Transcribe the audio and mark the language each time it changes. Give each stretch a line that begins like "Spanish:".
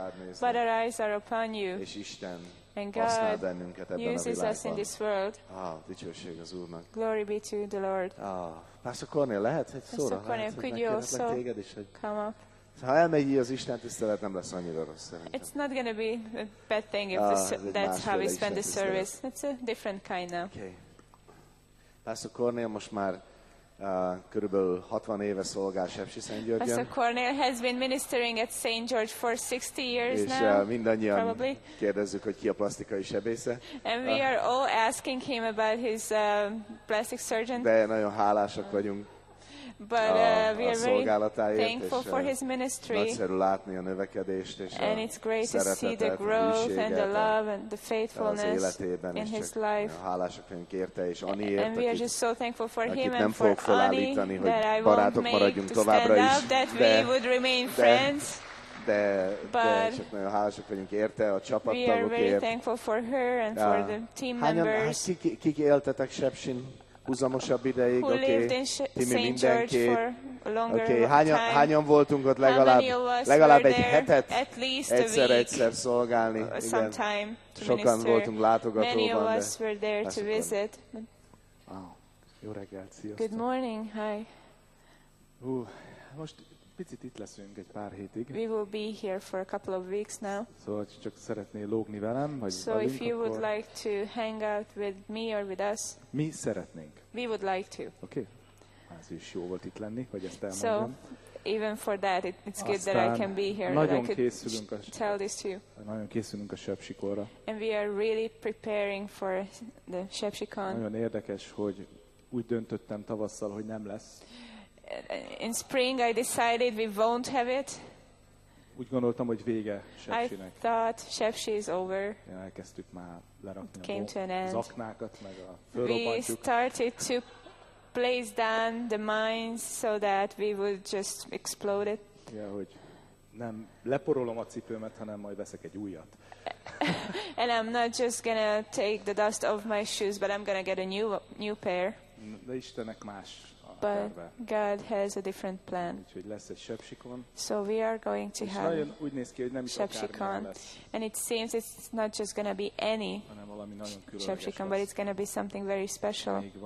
English: But our eyes are upon you.
Hungarian: És Isten.
English: And God uses us in this world.
Hungarian: Dicsőség az Úrnak.
English: Glory be to the Lord.
Hungarian: Pastor Cornél, lehet egy szóra?
English: Pastor Cornél, could you also come up?
Hungarian: Ha elmegy az Isten tisztelet, nem lesz annyira rossz szerintem.
English: It's not going to be a bad thing if that's how we spend the service. It's a different kind now. Okay.
Hungarian: Pastor Cornél most már körülbelül 60 éve szolgál Sepsi Szent Györgyön.
English: Pastor Cornél has been ministering at St. George for 60 years
Hungarian: és,
English: now.
Hungarian: És mindannyian probably. Kérdezzük, hogy ki a plasztikai sebésze.
English: And we are all asking him about his plastic surgeon.
Hungarian: De nagyon hálásak vagyunk.
English: But we are very thankful for his ministry.
Hungarian: Nagyszerű látni a növekedést és
English: and it's great to see the growth and the love and the faithfulness in his life.
Hungarian: Hálásak vagyunk érte és Aniért,
English: and we are just so thankful for him and for Ani, that I won't make to stand up, that we would remain friends.
Hungarian: De csak nagyon hálásak vagyunk érte, a csapattagokért.
English: We are very thankful for her and for the team members.
Hungarian: Kik éltetek Sepsin? Húzamosabb ideig,
English: who okay.
Hungarian: Ti mi mindenki. Oké,
English: okay.
Hungarian: Hányan voltunk ott legalább egy hetet, egyszer szolgálni. Igen. Sokan voltunk látogatóban.
English: Many of us were there to visit.
Hungarian: Jó reggelt, sziasztok.
English: Good morning, hi.
Hungarian: Most picit itt leszünk egy pár hétig.
English: We will be here for a couple of weeks now.
Hungarian: Szóval csak szeretnél lógni velem, vagy
English: so
Hungarian: velünk,
English: if you would
Hungarian: akkor...
English: like to hang out with me or with us.
Hungarian: Mi szeretnénk.
English: We would like to. Okay.
Hungarian: Ez is jó volt itt lenni, hogy ezt elmondjam.
English: So even for that it's good
Hungarian: aztán
English: that I can be here.
Hungarian: Nagyon
English: that I
Hungarian: készülünk
English: could tell this to you.
Hungarian: Nagyon készülünk a Sepsikonra.
English: And we are really preparing for the Sepsikon.
Hungarian: Nagyon érdekes, hogy úgy döntöttem tavasszal, hogy nem lesz.
English: In spring I decided we won't have it.
Hungarian: Úgy gondoltam, hogy vége Sepsinek.
English: I thought Sepsi is over.
Hungarian: Ja, elkezdtük már lerakni
English: came to an end.
Hungarian: Az aknákat, meg a fölrobbantjuk.
English: We started to place down the mines so that we would just explode it.
Hungarian: Ja, hogy nem leporolom a cipőmet, hanem majd veszek egy újat.
English: And I'm not just gonna take the dust off my shoes, but I'm gonna get a new pair.
Hungarian: De Istennek más.
English: But God has a different plan. So we are going to have Sepsikon. And it seems it's not just going to be any Sepsikon, but it's going to be something very special.